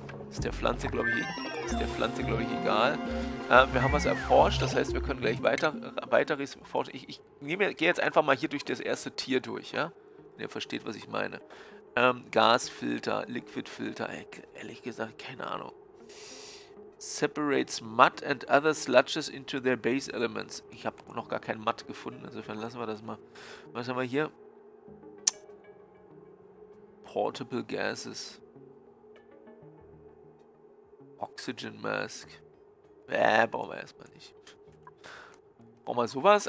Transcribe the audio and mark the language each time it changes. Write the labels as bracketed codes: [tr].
[de] Ist der Pflanze, glaube ich, egal. Wir haben was erforscht, das heißt, wir können gleich weiteres erforschen. Ich gehe jetzt einfach mal hier durch das erste Tier durch, ja? Wenn ihr versteht, was ich meine. Gasfilter, Liquidfilter, ehrlich gesagt, keine Ahnung. [en] separates mud and other sludges into their base elements. [de] Ich habe noch gar kein Mud gefunden, insofern lassen wir das mal. Was haben wir hier? Portable gases. Oxygen mask. Brauchen wir erstmal nicht. Brauchen wir sowas?